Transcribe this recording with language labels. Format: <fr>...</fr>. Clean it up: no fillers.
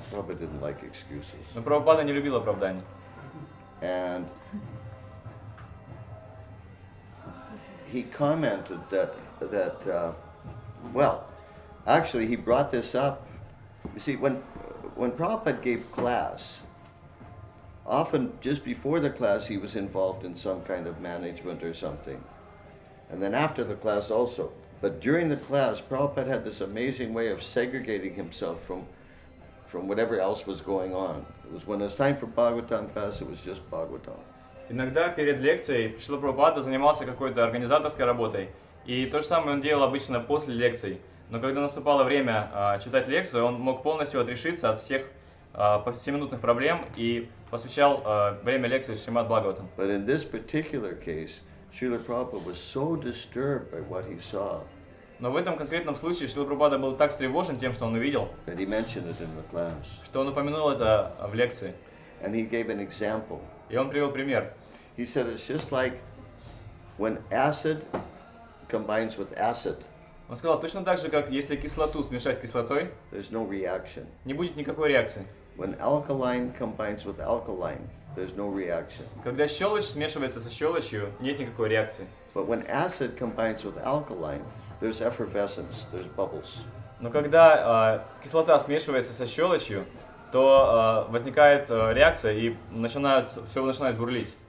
<en>Prabhupada didn't like excuses.</en> <ru>Но Прабхупада не любил оправдания.</ru> <en>And he commented that actually he brought this up. You see, when Prabhupada gave class, often just before the class he was involved in some kind of management or something, and then after the class also. But during the class, Prabhupada had this amazing way of segregating himself from whatever else was going on. It was when it was time for Bhagavatam class, it was just Bhagavatam.</en> <ru>Иногда перед лекцией Шрила Прабхупада занимался какой-то организаторской работой, и то же самое он делал обычно после лекций. Но когда наступало время читать лекцию, он мог полностью отрешиться от всех повсеминутных проблем и посвящал время лекции Шримад Бхагаватам.</ru> <en>But in this particular case, Srila Prabhupada was so disturbed by what he saw.</en> <ru>Но в этом конкретном случае Шрила Прабхупада был так встревожен тем, что он увидел,</ru> <en>that he mentioned it in the class.</en> <ru>Что он упомянул это в лекции.</ru> <en>And he gave an example.</en> <ru>И он привел пример.</ru> <en>He said it's just like when acid combines with acid.</en> <ru>Он сказал, точно так же, как если кислоту смешать с кислотой,</ru> <en>there's no reaction.</en> <ru>Не будет никакой реакции.</ru> <en>When alkaline combines with alkaline, there's no reaction.</en> <ru>Когда щелочь смешивается со щелочью, нет никакой реакции.</ru> <en>But when acid combines with alkaline, there's effervescence, there's bubbles.</en> <ru>Но когда кислота смешивается со щелочью, то возникает реакция и все начинает бурлить.</ru>